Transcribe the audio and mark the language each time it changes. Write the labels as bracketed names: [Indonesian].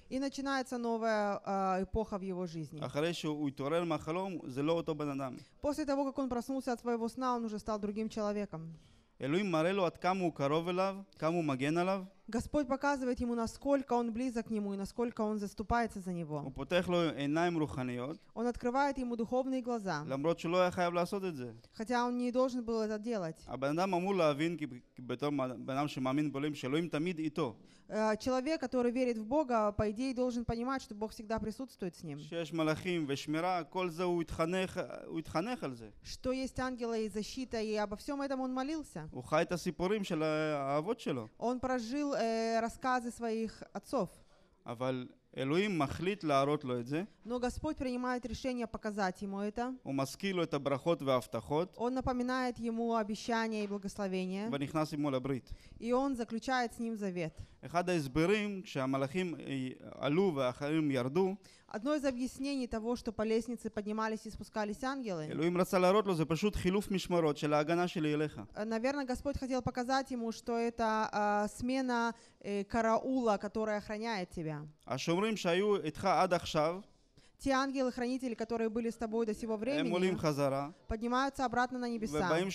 [Russian] И начинается новая эпоха в его жизни. [Hebrew] אחרי שהוא התעורר מהחלום, זה לא אותו בן אדם. [Russian] После того, как он проснулся от своего сна, он уже стал другим человеком. [Hebrew] אלוהים מראה לו עד כמה הוא קרוב אליו, כמה הוא מגן עליו. [Russian] Господь показывает ему, насколько он близок к нему и насколько он заступается за него. [Hebrew] הוא פותח לו עיניים רוחניות. [Russian] Он открывает ему духовные глаза. [Hebrew] למרות שלא היה חייב לעשות את זה. [Russian] Хотя он не должен был это делать. [Hebrew] הבן אדם אמור להבין, כי בתור בן אדם שמאמין בו, שאלוהים תמיד איתו. [Russian] Человек, который верит в Бога, по идее, должен понимать, что Бог всегда присутствует с ним. [Hebrew] שיש מלאכים ושמירה, כל זה הוא התחנך על זה. [Russian] Что есть ангелы и защита, и обо всем этом он молился. [Hebrew] הוא חי את הסיפורים של האבות שלו. [Russian] Он прожил рассказы своих отцов. [Hebrew] אבל אלוהים מחליט להראות לו את זה. [Russian] Но Господь принимает решение показать ему это. [Hebrew] הוא מזכיר לו את הברכות וההבטחות. [Russian] Он напоминает ему обещания и благословения. [Hebrew] ונכנס עמו לברית. [Russian] И он заключает с ним завет. [Hebrew] אחד ההסברים, כשהמלאכים עלו ואחרים ירדו, [Russian] одно из объяснений того, что по лестнице поднимались и спускались ангелы. [Hebrew] אלוהים רצה להראות לו, זה פשוט חילוף משמרות של ההגנה שלי אליך. [Russian] Наверное, Господь хотел показать ему, что это смена караула, которая охраняет тебя. [Hebrew] השומרים שהיו איתך עד עכשיו, [Russian] те ангелы-хранители, которые были с тобой до сего времени, поднимаются обратно на небеса.